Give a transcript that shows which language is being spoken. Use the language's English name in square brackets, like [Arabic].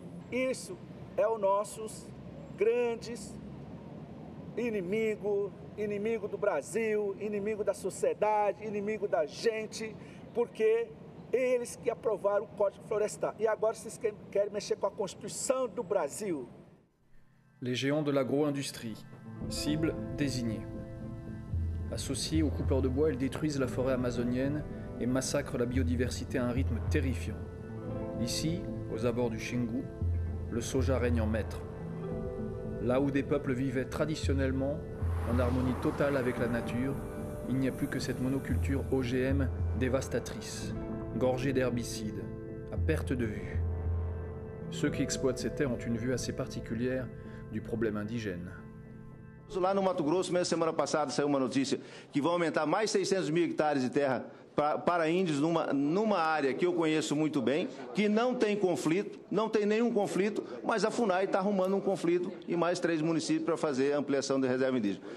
[Portuguese] Isso é os nossos grandes inimigos, inimigo do Brasil, inimigo da sociedade, inimigo da gente, porque eles que aprovaram o Código Florestal. E agora vocês querem mexer com a Constituição do Brasil. [French] Les géants de l'agro-industrie, cible désignée. Associés aux coupeurs de bois, ils détruisent la forêt amazonienne et massacrent la biodiversité à un rythme terrifiant. Ici, aux abords du Xingu, le soja règne en maître. Là où des peuples vivaient traditionnellement, en harmonie totale avec la nature, il n'y a plus que cette monoculture OGM dévastatrice, gorgée d'herbicides, à perte de vue. Ceux qui exploitent ces terres ont une vue assez particulière du problème indigène. [Portuguese] Là, no Mato Grosso, [French] même semaine passée, [Portuguese] saiu uma notícia que vão aumentar mais 600 mil hectares de terra para índios numa área que eu conheço muito bem, que não tem conflito, não tem nenhum conflito, mas a FUNAI está arrumando um conflito e mais três municípios para fazer a ampliação de reserva indígena.